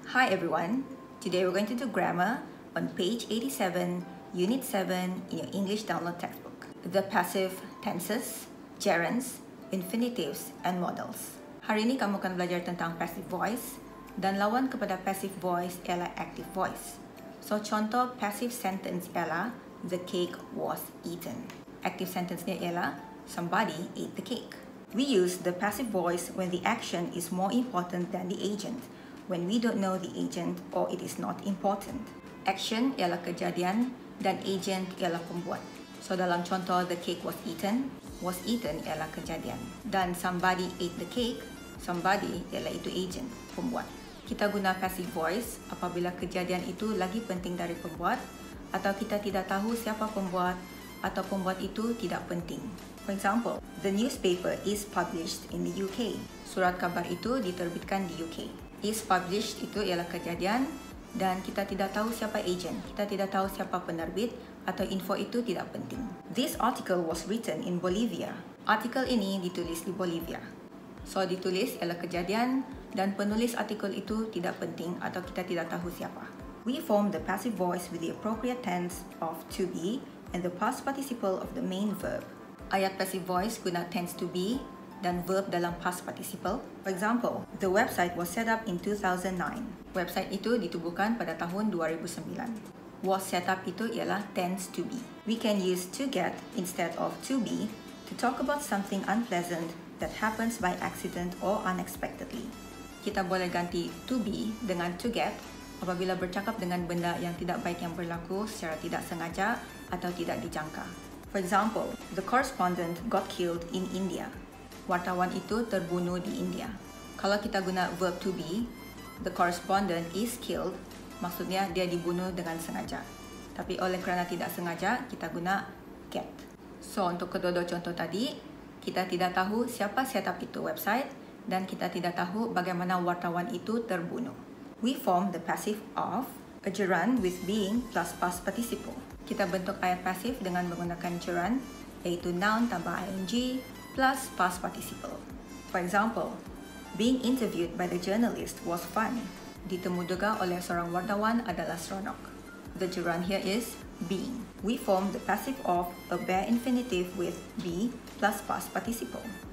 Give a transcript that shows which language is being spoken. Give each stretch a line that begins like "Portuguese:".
English: Hi everyone, today we're going to do grammar on page 87, unit 7 in your English download textbook. The passive, tenses, gerunds, infinitives, and modals.
Malay: Hari ini kamu akan belajar tentang passive voice, dan lawan kepada passive voice ialah active voice.
English: So
Malay: contoh
English: passive sentence
Malay: ialah,
English: the cake was eaten. Active sentence
Malay: nya ialah,
English: somebody ate the cake. We use the passive voice when the action is more important than the agent, when we don't know the agent or it is not important.
Malay: Action ialah kejadian dan agent ialah pembuat.
English: So
Malay: dalam contoh
English: the cake was eaten
Malay: ialah kejadian. Dan
English: somebody ate the cake, somebody
Malay: ialah itu
English: agent, pembuat.
Malay: Kita guna passive voice apabila kejadian itu lagi penting dari pembuat atau kita tidak tahu siapa pembuat atau pembuat itu tidak penting.
English: For example, the newspaper is published in the UK.
Malay: Surat kabar itu diterbitkan di UK.
English: Is published
Malay: itu ialah kejadian dan kita tidak tahu siapa agent, kita tidak tahu siapa penerbit atau info itu tidak penting.
English: This article was written in Bolivia.
Malay: Artikel ini ditulis di Bolivia. So ditulis ialah kejadian dan penulis artikel itu tidak penting atau kita tidak tahu siapa.
English: We form the passive voice with the appropriate tense of to be and the past participle of the main verb.
Malay: Ayat passive voice guna tense to be dan verb dalam past participle.
English: For example, the website was set up in 2009.
Malay: Website itu ditubuhkan pada tahun 2009.
English: Was set up
Malay: itu ialah
English: tense to be. We can use to get instead of to be to talk about something unpleasant that happens by accident or unexpectedly.
Malay: Kita boleh ganti to be dengan to get apabila bercakap dengan benda yang tidak baik yang berlaku secara tidak sengaja atau tidak dijangka.
English: For example, the correspondent got killed in India.
Malay: Wartawan itu terbunuh di India. Kalau kita guna verb to be,
English: the correspondent is killed,
Malay: maksudnya dia dibunuh dengan sengaja. Tapi oleh kerana tidak sengaja, kita guna get. So, untuk kedua-dua contoh tadi, kita tidak tahu siapa set up itu website dan kita tidak tahu bagaimana wartawan itu terbunuh.
English: We form the passive of a gerund with being plus past participle.
Malay: Kita bentuk ayat pasif dengan menggunakan gerund, yaitu noun tambah ing, plus past participle.
English: For example, being interviewed by the journalist was fun.
Malay: Ditemuduga oleh seorang wartawan adalah seronok.
English: The gerund here is being. We form the passive of a bare infinitive with be plus past participle.